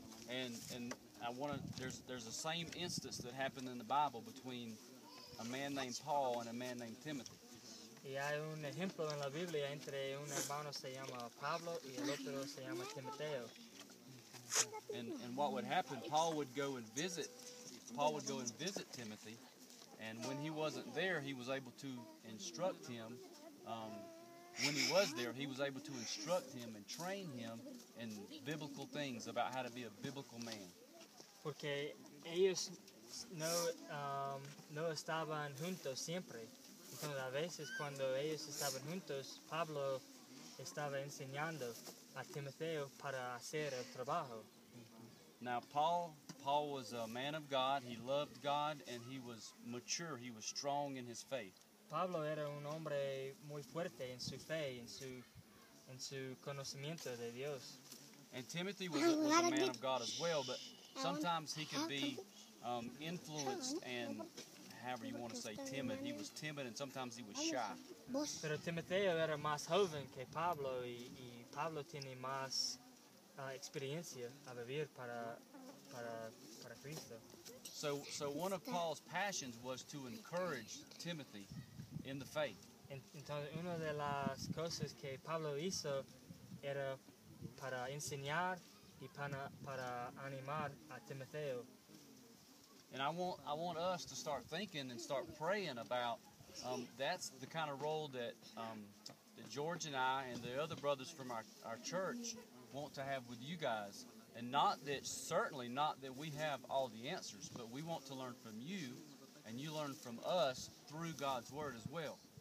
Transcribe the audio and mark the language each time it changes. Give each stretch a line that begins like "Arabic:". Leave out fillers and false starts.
English: And I want to, there's the same instance that happened in the Bible between a man named Paul and a man named Timothy.
Spanish: Y hay un ejemplo en la Biblia entre un hermano se llama Pablo y el otro se llama Timoteo.
English: And what would happen, Paul would go and visit Timothy, and when he wasn't there, he was able to instruct him. When he was there, he was able to instruct him and train him in biblical things about how to be a biblical man.
Spanish: Porque ellos no estaban juntos siempre. Entonces, a veces cuando ellos estaban juntos, Pablo estaba enseñando a Timoteo para hacer el trabajo.
English: Now, Paul was a man of God. He loved God, and he was mature. He was strong in his faith.
Spanish: Pablo era un hombre muy fuerte en su fe, en su conocimiento de Dios.
English: And Timothy was a man of God as well, but sometimes he could be influenced and, however you want to say, timid. He was timid and sometimes he was shy.
Spanish: Pero Timoteo era más joven que Pablo y Pablo tiene más experiencia a vivir para Cristo.
English: So one of Paul's passions was to encourage Timothy in the faith.
Spanish: Entonces una de las cosas que Pablo hizo era para enseñar y para animar a Timoteo.
English: And I want us to start thinking and start praying about that's the kind of role that George and I and the other brothers from our church want to have with you guys. And certainly not that we have all the answers, but we want to learn from you, and you learn from us through God's Word as well.